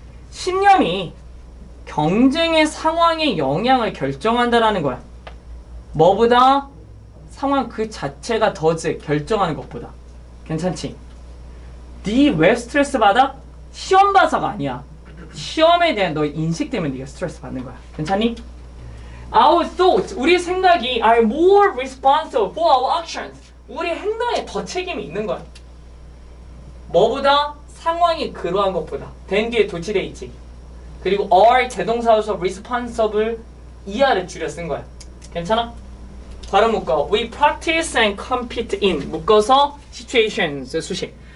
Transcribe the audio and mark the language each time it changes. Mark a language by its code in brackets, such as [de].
[ko] 신념이 경쟁의 상황의 영향을 결정한다라는 거야. 뭐보다 상황 그 자체가 더 즉 결정하는 것보다. 괜찮지? 네 왜 스트레스 받아? 시험 봐서가 아니야. 시험에 대한 너의 인식 때문에 네가 스트레스 받는 거야. 괜찮니? [en] Our thoughts, [ko] 우리 생각이 [en] are more responsible for our actions. [ko] 우리 행동에 더 책임이 있는 거야. 뭐보다 상황이 그러한 것보다. 된 뒤에 도치돼 있지. 그리고 are 제동사로서 responsible 이하를 줄여 쓴 거야. 괜찮아? 괄호 묶어. [en] We practice and compete in. 묶어서 situations 수식.